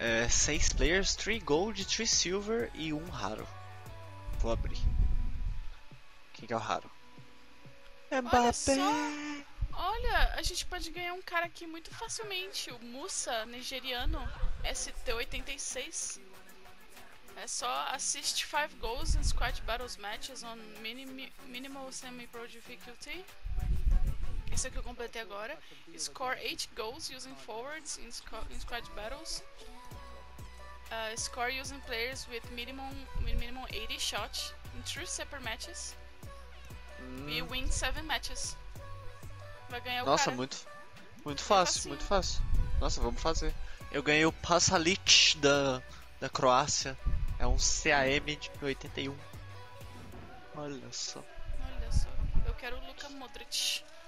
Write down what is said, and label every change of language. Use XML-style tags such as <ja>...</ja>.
<en>6 players, 3 gold, 3 silver</en> <pt>e 1 raro. Vou abrir. Quem que é o raro? É Mbappé! Olha, a gente pode ganhar um cara aqui muito facilmente. O Musa, nigeriano, ST86. É só</pt> <en>assist 5 goals in squad battles matches on minimal semi-pro difficulty.</en> <pt>Isso aqui eu completei agora.</pt> <en>Score 8 goals using forwards in squad battles. Score using players with minimum 80 shots in 3 separate matches.</en> <pt>E</pt> <en>win 7 matches.</en> <pt>Vai ganhar o nossa, cara. Muito, muito fácil, muito fácil. Nossa, vamos fazer. Eu ganhei o Pasalic da Croácia. É um CAM de 81. Olha só. Olha só. Eu quero o Luka Modric.</pt>